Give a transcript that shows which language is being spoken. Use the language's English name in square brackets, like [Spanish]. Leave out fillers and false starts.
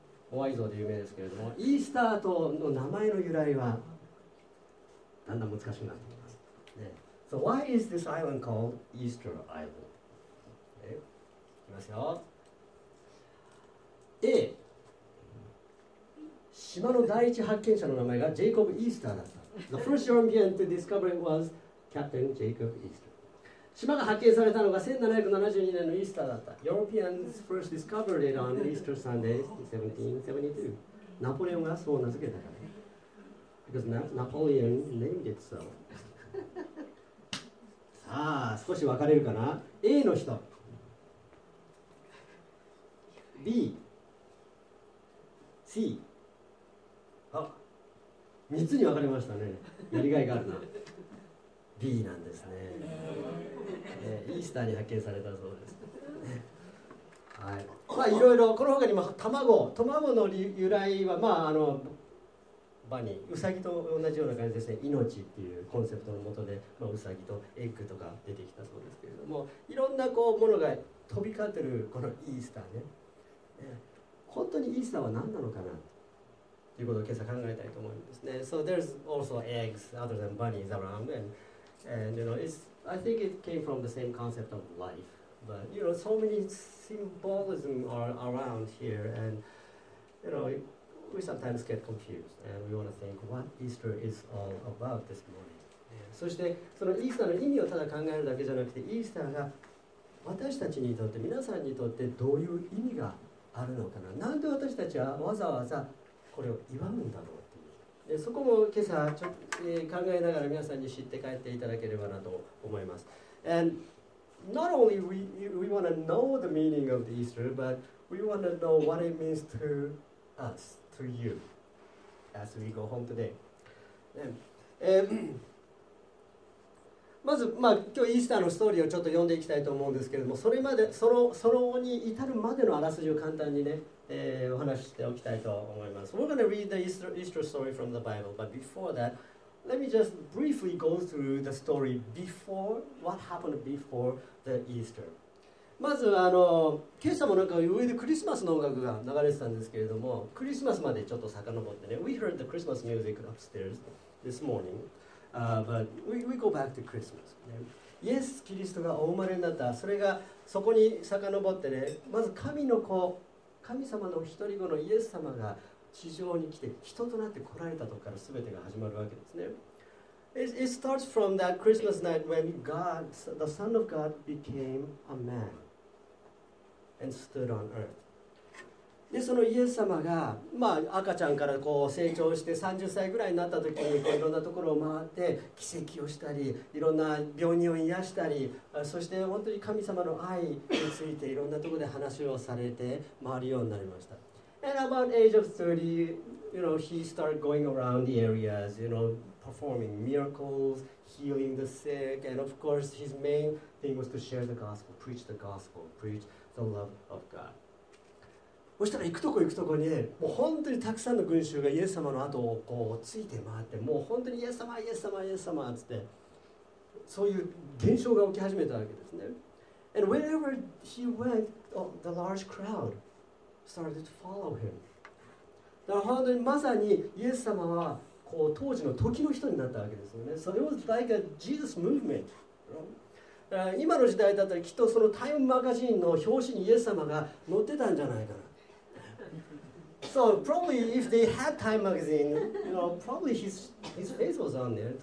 [Japanese] ホワイト像で有名ですけれども、イースター島の名前の由来はだんだん難しくなってきます。 [English] ね、so why is this island called Easter Island? Okay. [Japanese] 行きますよ。A. 島の第一発見者の名前がジェイコブ・イースターだった。 [English] The first European to discover it was Captain Jacob Easter. [Japanese] 島が発見されたのが1772年のイースターだった。 [English] Europeans first discovered it on Easter Sunday, 1772. [Japanese] ナポレオンがそう名付けたからね。 [English] Because Napoleon named it so. [Japanese] さあ、少し分かれるかな。 A の人。 B。 C。あ、3つに分かれましたね。やりがいがあるな。B なんですね。イースターに発見されたそうです。はい。まあいろいろこの他にも卵の由来はまああのバニー、ウサギと同じような感じですね。命っていうコンセプトのもとで、まあウサギとエッグとか出てきたそうですけれども、いろんなこうものが飛び交ってるこのイースターね。本当にイースターは何なのかなということを今朝考えたいと思いますね。 [English] So there's also eggs other than bunnies around and you know it's. I think it came from the same concept of life, but you know, so many symbolism are around here, and you know, we sometimes get confused, and we want to think what Easter is all about this morning. [Japanese] そしてそのイースターの意味をただ考えるだけじゃなくて、イースターが私たちにとって皆さんにとってどういう意味があるのかな。なんで私たちはわざわざこれを祝うんだろうっていう。そこも今朝ちょっと考えながら皆さんに知って帰っていただければなと思います。 [English] And not only we want to know the meaning of the Easter, but we want to know what it means to us, to you, as we go home today. [Japanese] まず、まあ、今日イースターのストーリーをちょっと読んでいきたいと思うんですけれども、それまで、そのに至るまでのあらすじを簡単にね、お話ししておきたいと思います。 [English] We're going to read the Easter story from the Bible, but before that, let me just briefly go through the story before, what happened before the Easter. [Japanese] まず、今朝もなんか上でクリスマスの音楽が流れてたんですけれども、クリスマスまでちょっと遡ってね、 [English] We heard the Christmas music upstairs this morning. But we go back to Christmas. [Japanese] イエス・キリストがお生まれになった。それがそこに遡ってね、まず神の子、神様の一人子のイエス様が地上に来て人となって来られたところから全てが始まるわけですね。 [English] It starts from that Christmas night when God, the Son of God, became a man and stood on earth. [Japanese] でそのイエス様が、まあ、赤ちゃんからこう成長して30歳ぐらいになった時にこういろんなところを回って奇跡をしたり、いろんな病人を癒したり、そして本当に神様の愛についていろんなところで話をされて回るようになりました。 [English] And about age of 30, you know, he started going around the areas, you know, performing miracles, healing the sick, and of course his main thing was to share the gospel, preach the gospel, preach the love of God. [Japanese] そしたら行くとこ行くとこに、ね、もう本当にたくさんの群衆がイエス様の後をこうついて回って、もう本当にイエス様イエス様イエス様つって、そういう現象が起き始めたわけですね。 [English] And wherever he went, the large crowd started to follow him. [Japanese] だから本当にまさにイエス様はこう当時の時の人になったわけですよね。 [English] So it was like a Jesus movement. [Japanese] 今の時代だったらきっとそのタイムマガジンの表紙にイエス様が載ってたんじゃないかな。 [English] So probably if they had Time magazine, you know, probably his face was on there.